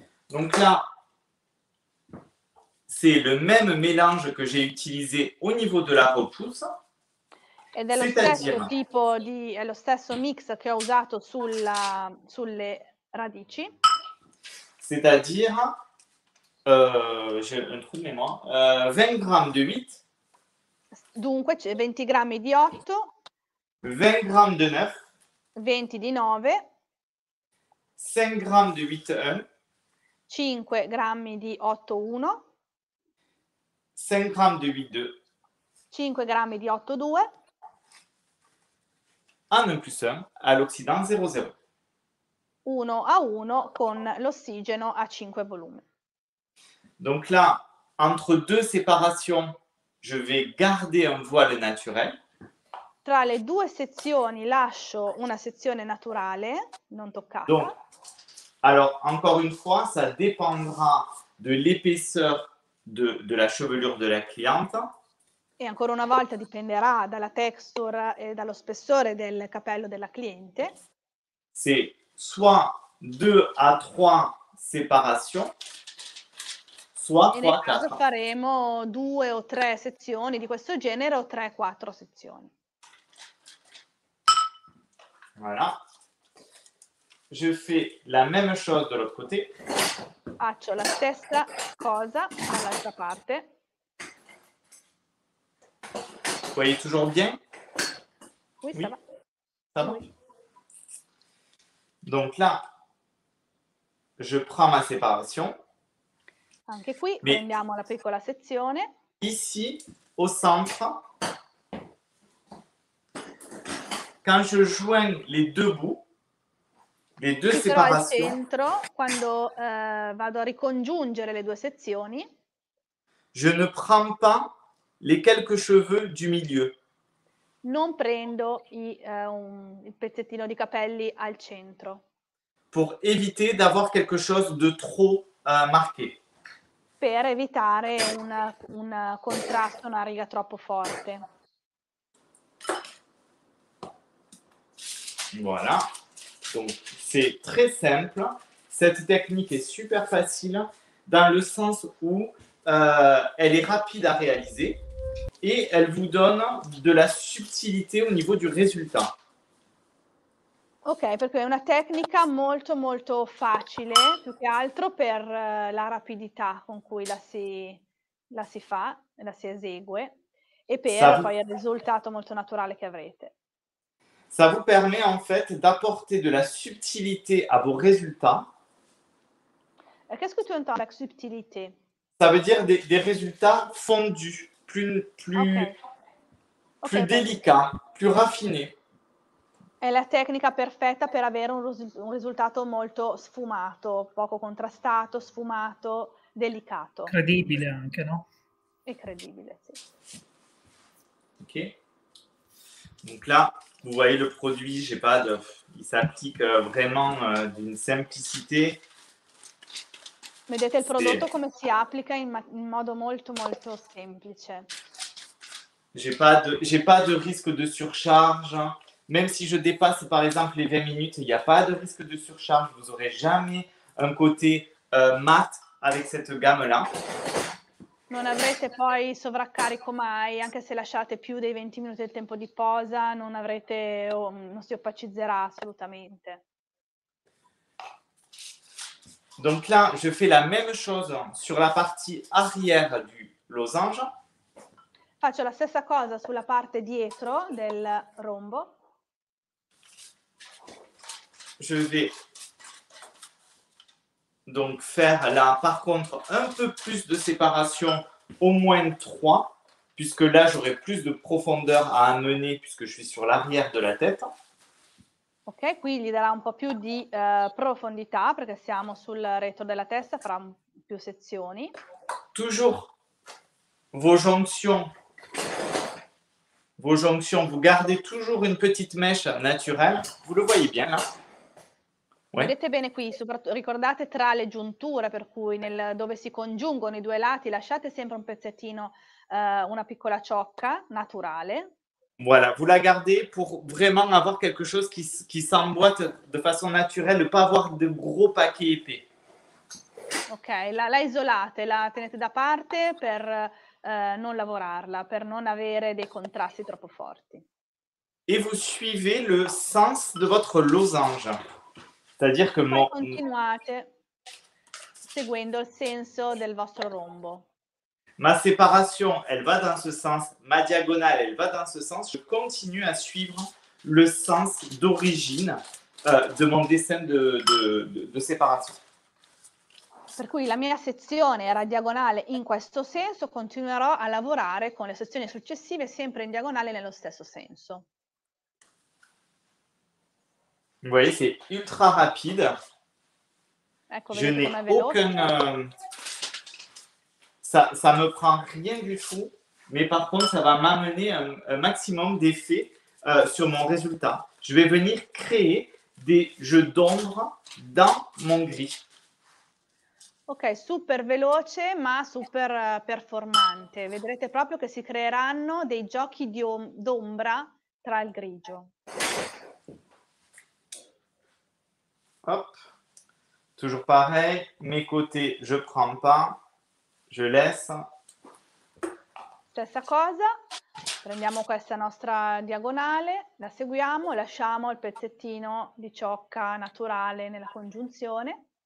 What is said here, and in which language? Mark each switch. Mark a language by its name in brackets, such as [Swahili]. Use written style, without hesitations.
[French] Donc là, c'est le même mélange que j'ai utilisé au niveau de la repousse. [Italian] Ed è lo stesso mix che ho usato sulle radici. [French] C'est-à-dire j'ai un trou de mémoire. 20 grammes de huit. [Italian] Dunque, 20 grammi di 8. [French] 20 grammes de 9. [Italian] 20 di 9. [French] 5 grammes de 8-1. [Italian] 5 grammi di 8-1. [French] 5 grammes de 8-2. [Italian] 5 grammi di 8-2. 1 plus 1 all'ossidante 0-0. 1-1 con l'ossigeno a 5 volumi. [French] Donc là, entre deux séparations, je vais garder un voile naturel. [Italian] tra le due sezioni lascio una sezione naturale, non toccata. [French] Donc, alors, encore une fois, ça dépendra de l'épaisseur de la chevelure de la cliente. [Italian] E ancora una volta dipenderà dalla texture e dallo spessore del capello della cliente. [French] C'est soit 2 à 3 séparations, soit 3 à 4. [Italian] Nel caso faremo 2 o 3 sezioni di questo genere o 3 o 4 sezioni. [French] Voilà. Je fais la même chose de l'autre côté. [Italian] Faccio la stessa cosa dall'altra parte. [French] Vous voyez toujours bien? Oui, oui, ça va. Ça va? Oui. Donc là, je prends ma séparation. [Italian] Anche qui, mais prendiamo la piccola sezione. [French] Ici, au centre, quand je joins les deux bouts, les deux séparations. [Italian] Però al centro, quando vado a ricongiungere le due sezioni, [French] je ne prends pas les quelques cheveux du milieu. [Italian] Non prendo il pezzettino di capelli al centro. [French] Pour éviter d'avoir quelque chose de trop marqué. [Italian] Per evitare un contrasto, una riga troppo forte. [French] Voilà. Donc c'est très simple. Cette technique est super facile dans le sens où elle est rapide à réaliser. Et elle vous donne de la subtilité au niveau du résultat. [Italian] Ok, perché è una tecnica molto molto facile, più che altro per la rapidità con cui la si fa, la si esegue, e per poi il risultato molto naturale che avrete. [French] Ça vous permet en fait d'apporter de la subtilité à vos résultats. Qu'est-ce que tu entends par subtilité? Ça veut dire des résultats fondus. Plus okay, délicat, plus raffiné. [Italian] È la tecnica perfetta per avere un risultato molto sfumato, poco contrastato, sfumato, delicato. Credibile anche, no? È credibile, sì. Ok. [French] Donc là, vous voyez le produit, j'ai pas de... Il s'applique vraiment d'une simplicité. [Italian] Vedete il prodotto come si applica in modo molto molto semplice. [French] J'ai pas de risque de surcharge, même si je dépasse par exemple les 20 minutes, il n'y a pas de risque de surcharge, vous aurez jamais un côté mat avec cette gamme là. [Italian] Non avrete poi sovraccarico mai, anche se lasciate più dei 20 minuti il tempo di posa, non avrete non si opacizzerà assolutamente. [French] Donc là, je fais la même chose sur la partie arrière du losange. [Italian] Faccio la stessa cosa sulla parte dietro del rombo. [French] Je vais donc faire là, par contre, un peu plus de séparation, au moins 3, puisque là, j'aurai plus de profondeur à amener, puisque je suis sur l'arrière de la tête. [Italian] Ok, qui gli darà un po' più di profondità perché siamo sul retro della testa, farà più sezioni. [French] Toujours vos jonctions, vous gardez toujours une petite mèche naturelle, vous le voyez bien là. Ouais. [Italian] Vedete bene qui, ricordate tra le giunture, per cui dove si congiungono i due lati, lasciate sempre un pezzettino, una piccola ciocca naturale. [French] Voilà, vous la gardez pour vraiment avoir quelque chose qui s'emboîte de façon naturelle, ne pas avoir de gros paquets épais. [Italian] Ok, la isolate, la tenete da parte per non lavorarla, per non avere dei contrasti troppo forti. [French] Et vous suivez le sens de votre losange. C'est-à-dire que [Italian] poi continuate seguendo il senso del vostro rombo. [French] Ma séparation, elle va dans ce sens. Ma diagonale, elle va dans ce sens. Je continue à suivre le sens d'origine de mon dessin de séparation. [Italian] Per cui la mia sezione era diagonale in questo senso, continuerò a lavorare con le sezioni successive sempre in diagonale nello stesso senso. [French] Vous voyez, c'est ultra rapide. [Italian] Ecco, vedete com'è veloce. [French] Ça me prend rien du tout, mais par contre, ça va m'amener un maximum d'effets sur mon résultat. Je vais venir créer des jeux d'ombre dans mon gris. [Italian] Ok, super veloce ma super performante. Vedrete proprio che si creeranno dei giochi di d'ombra tra il grigio. [French] Hop, toujours pareil, mes côtés je prends pas, je laisse. [Italian] Stessa cosa, prendiamo questa nostra diagonale, la seguiamo, lasciamo il pezzettino di ciocca naturale nella congiunzione.